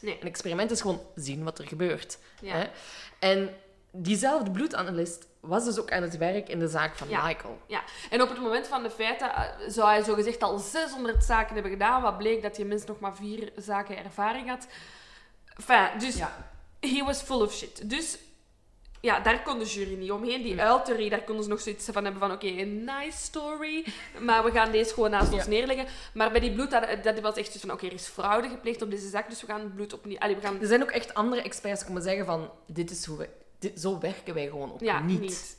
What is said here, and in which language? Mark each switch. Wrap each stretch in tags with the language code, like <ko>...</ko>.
<nl>Nee. Een experiment is gewoon zien wat er gebeurt. Ja. Hè? En diezelfde bloedanalist was dus ook aan het werk in de zaak van Michael. Ja, en op het moment van de feiten zou hij zogezegd al 600 zaken hebben gedaan, wat bleek dat je minstens nog maar 4 zaken ervaring had. Enfin, dus</nl> <en>he was full of shit.</en> <nl>Dus ja, daar kon de jury niet omheen. Die uiltheorie, daar konden ze nog zoiets van hebben van oké, een</nl> <en>nice story,</en> <nl>maar we gaan deze gewoon naast ons neerleggen. Maar bij die bloed, dat was echt dus van oké, er is fraude gepleegd op deze zaak, dus we gaan het bloed opnieuw... Allee, we gaan... Er zijn ook echt andere experts komen zeggen van dit is hoe we... Zo werken wij gewoon ook niet.</nl>